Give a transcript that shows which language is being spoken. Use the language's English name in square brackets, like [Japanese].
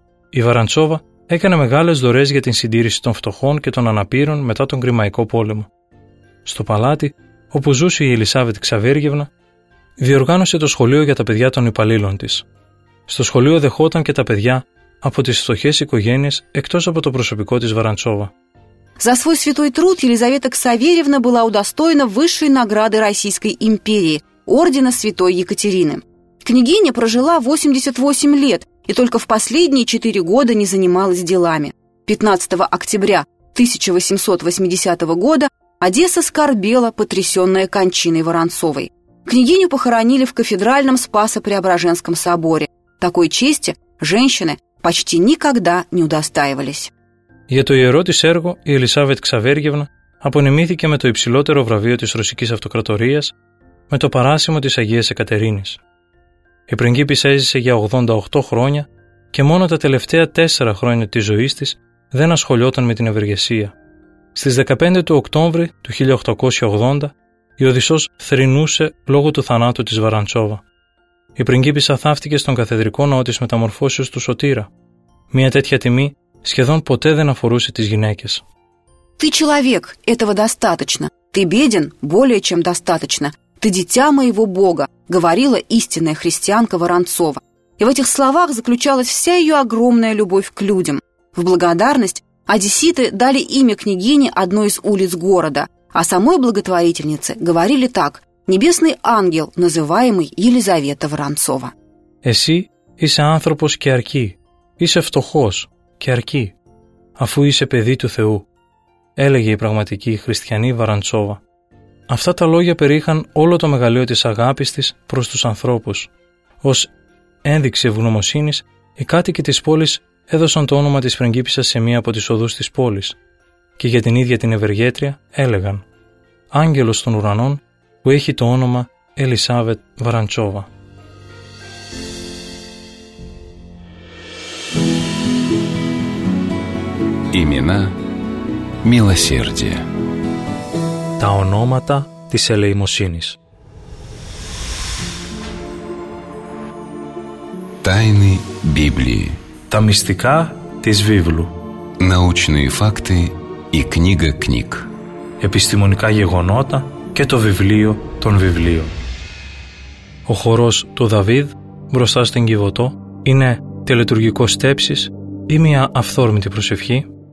[Greek] Η Βαραντσόβα έκανε μεγάλες δωρές για την συντήρηση των φτωχών και των αναπήρων μετά τον Κρυμαϊκό πόλεμο. Στο παλάτι, όπου ζούσε η Ελισάβετ Ξαβέργευνα, διοργάνωσε το σχολείο για τα παιδιά των υπαλλήλων της. Στο σχολείο δεχόταν και τα παιδιά από τις φτωχές οικογένειες εκτός από το προσωπικό της Βαραντσόβα. [Russian] За свой святой труд Елизавета Ксаверьевна была удостоена высшей награды Российской империи – Ордена Святой Екатерины. Княгиня прожила 88 лет и только в последние 4 года не занималась делами. 15 октября 1880 года Одесса скорбела, потрясенная кончиной Воронцовой. Княгиню похоронили в кафедральном Спасо-Преображенском соборе. Такой чести женщины почти никогда не удостаивались. [Greek] Για το ιερό της έργο, η Ελισάβετ Ξαβέργευνα απονεμήθηκε με το υψηλότερο βραβείο της Ρωσικής Αυτοκρατορίας, με το παράσημο της Αγίας Εκατερίνης. Η πριγκίπισσα έζησε για 88 χρόνια και μόνο τα τελευταία 4 χρόνια της ζωής της δεν ασχολιόταν με την ευεργεσία. Στις 15 του Οκτώβρη του 1880, η Οδυσσός θρηνούσε λόγω του θανάτου της Βαραντσόβα. Η πριγκίπισσα θαύτηκε στον καθεδρικό ναό της Μεταμορφώσεως του Σωτήρα. Μια τέτοια τιμή сχεδόν ποτέ δεν αφορούσε τις γυναίκες. [Russian] «Ты человек, этого достаточно. Ты беден, более чем достаточно. Ты дитя моего Бога», говорила истинная христианка Воронцова. И в этих словах заключалась вся ее огромная любовь к людям. В благодарность одесситы дали имя княгине одной из улиц города, а самой благотворительнице говорили так: «Небесный ангел, называемый Елизавета Воронцова». [Greek] «Εσύ είσαι άνθρωπος και αρκεί, είσαι φτωχός». Και αρκεί, αφού είσαι παιδί του Θεού, έλεγε η πραγματική χριστιανή Βαραντσόβα. Αυτά τα λόγια περιείχαν όλο το μεγαλείο της αγάπης της προς τους ανθρώπους. Ως ένδειξη ευγνωμοσύνης, οι κάτοικοι της πόλης έδωσαν το όνομα της πριγκίπισσας σε μία από τις οδούς της πόλης και για την ίδια την ευεργέτρια έλεγαν «Άγγελος των ουρανών που έχει το όνομα Ελισάβετ Βαραντσόβα». [Russian] Имена милосердия. [Greek] Τα ονόματα της ελεημοσύνης. [Russian] Тайны Библии. [Greek] Τα μυστικά της Βίβλου. [Russian] Научные факты и книга книг. [Greek] Επιστημονικά γεγονότα και το βιβλίο των βιβλίων. Ο χορός του Δαβίδ μπροστά στην Κιβωτό είναι τελετουργικό στέψης ή μια αυθόρμητη προσευχή.